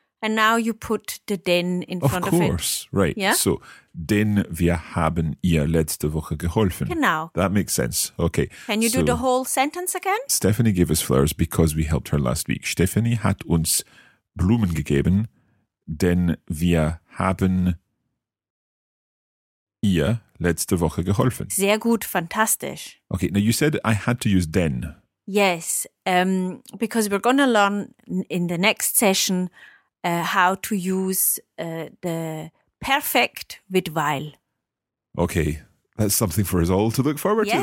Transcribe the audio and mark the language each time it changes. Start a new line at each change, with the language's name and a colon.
English: And now you put the den in of front course. Of it. Of course, right. Yeah?
German: So, den wir haben ihr letzte Woche geholfen. Genau.
English: That makes sense. Okay. Can you do the whole sentence again? Stephanie gave us flowers because we helped her last week.
German: Stephanie hat uns Blumen gegeben, denn wir haben ihr letzte Woche geholfen. Sehr gut, fantastisch.
English: Okay, now you said I had to use den. Yes, because we're going to learn in the next session how to use the perfect with weil. Okay, that's something for us all to look forward to then.